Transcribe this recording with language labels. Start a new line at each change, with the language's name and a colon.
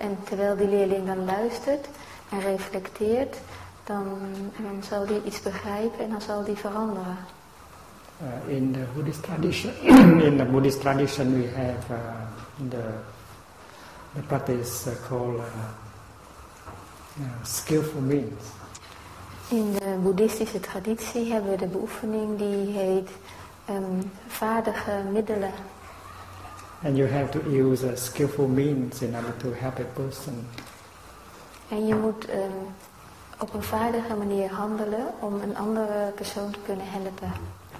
Dutch: En terwijl die leerling dan luistert en reflecteert, dan zal die iets begrijpen en dan zal die veranderen.
English: In the Buddhist tradition, we have the practice called skillful means.
Dutch: In de boeddhistische traditie hebben we de beoefening die heet vaardige middelen.
English: And you have to use a skillful means in order to help a person.
Dutch: En je moet op een vaardige manier handelen om een andere persoon te kunnen helpen.